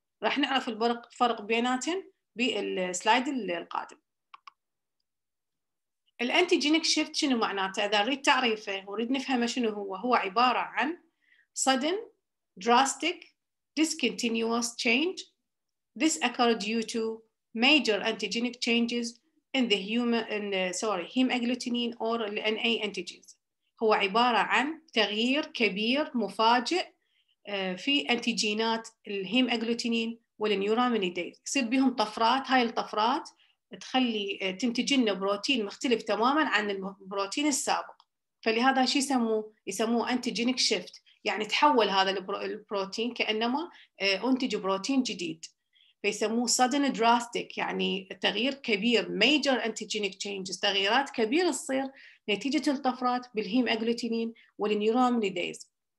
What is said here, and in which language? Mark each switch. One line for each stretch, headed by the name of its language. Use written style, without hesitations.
Arabic: راح نعرف الفرق بيناتهم بالسلايد القادم. الانتيجينيك شيفت شنو معناته؟ إذا نريد تعريفه ونريد نفهمه شنو هو، هو عبارة عن
English: sudden, drastic, discontinuous change. This occurred due to major antigenic changes in the human, in the, sorry, heme agglutinin or NA antigens.
Arabic: هو عبارة عن تغيير كبير مفاجئ في انتيجينات الheme agglutinin والneuraminidase. يصير بهم طفرات، هاي الطفرات تخلي تنتج لنا بروتين مختلف تماماً عن البروتين السابق. فلهذا شو يسموه
English: antigenic shift.
Arabic: يعني تحول هذا البروتين كأنما أنتج بروتين جديد، فيسموه
English: sudden drastic،
Arabic: يعني تغيير كبير
English: major antigenic changes،
Arabic: تغييرات كبيرة تصير نتيجة الطفرات بالهيم أجلوتينين والنيوراميديز.